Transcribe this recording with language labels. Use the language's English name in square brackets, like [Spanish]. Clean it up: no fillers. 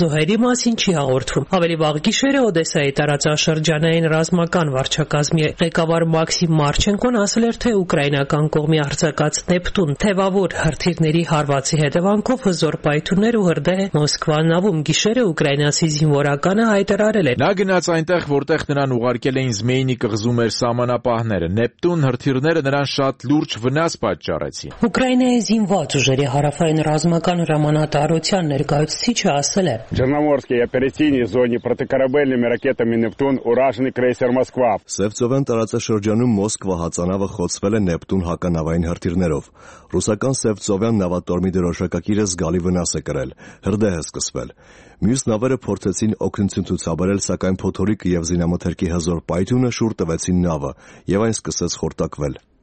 [Armenian] Հայերի մասին չի հաղորդվում։ Ավելի վաղ գիշերը Օդեսայի տարածաշրջանային ռազմական վարչակազմի ղեկավար Մաքսիմ Մարչենկոն ասել էր, թե ուկրաինական կողմի արձակած Նեպտուն թևավոր հրթիռների հարվածի հետևանքով հզոր պայթուններ ու հրդեհ Մոսկվա նավում։ Գիշերը ուկրաինացի զինվորականը հայտարարել էր. Նա գնաց այնտեղ, որտեղ նրան ուղարկել էին Զմեյնի կղզու մեր սահմանապահները։ Նեպտուն հրթիռները նրան շատ լուրջ վնաս պատճառեցին։ Ուկրաինայի զինված ուժերի հարավային ռազմական հրամանատարության ներկայացուցիչը ասել է. [Russian] В Черноморской операционной зоне противокорабельными ракетами «Нептун» уражен крейсер «Москва». [Armenian] Սևծովյան տարածաշրջանում Մոսկվա հածանավը խոցվել է Նեպտուն հականավային հրթիռներով։ Ռուսական Սևծովյան նավատորմի դրոշակակիրը զգալի վնաս է կրել, հրդեհ է սկսվել։ Մյուս նավերը փորձեցին օգնություն ցուցաբերել, սակայն փոթորիկը և զինամթերքի հզոր պայթյունը շուռ տվեցին նավը, և այն սկսեց խորտակվել։